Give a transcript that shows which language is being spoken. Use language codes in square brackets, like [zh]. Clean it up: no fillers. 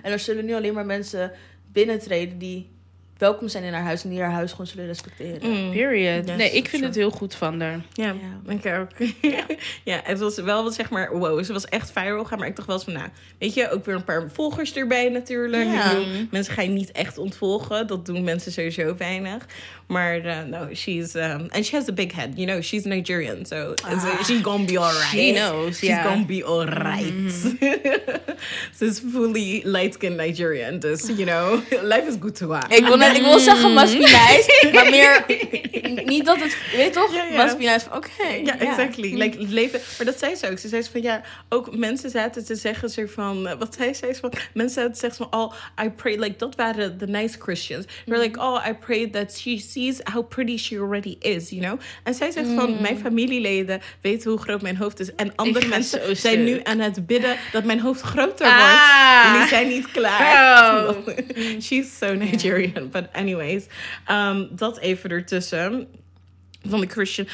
[nl] En er zullen nu alleen maar mensen binnentreden die welkom zijn in haar huis en die haar huis gewoon zullen respecteren. [en] Mm. Period. [nl] Yes, nee, ik vind het heel goed van haar. Ja, dank je ook. Ja, het was wel wat zeg maar, wow, ze was echt viral gaan, maar ik dacht wel eens van, nou, weet je, ook weer een paar volgers erbij natuurlijk. Ja. Bedoel, mensen gaan je niet echt ontvolgen, dat doen mensen sowieso weinig. [en] Maar, no, she's, and she has a big head, you know, she's Nigerian, so she's gonna be alright. She knows, she's gonna be alright. She's fully light-skinned Nigerian, dus, you know, life is good to her. [nl] Ik wil zeggen, [en] must be nice, [nl] maar meer niet dat het, weet toch? Ja, ja. Masculine is van, oké. Okay, ja, exactly. Ja. Like, leven, maar dat zei ze ook. Ze zei ze van, ja, ook mensen zaten te zeggen ze van, wat zei ze? Van, mensen zaten te zeggen van, [en] oh, I pray, like, [nl] dat waren [en] the nice Christians. They're like, oh, I pray that she sees how pretty she already is, you know? [nl] En zij zegt van, mijn familieleden weten hoe groot mijn hoofd is. En andere mensen zijn nu aan het bidden dat mijn hoofd groter wordt. En die zijn niet klaar. [en] She's so Nigerian. But anyways, [nl] dat even ertussen. Van de Christian.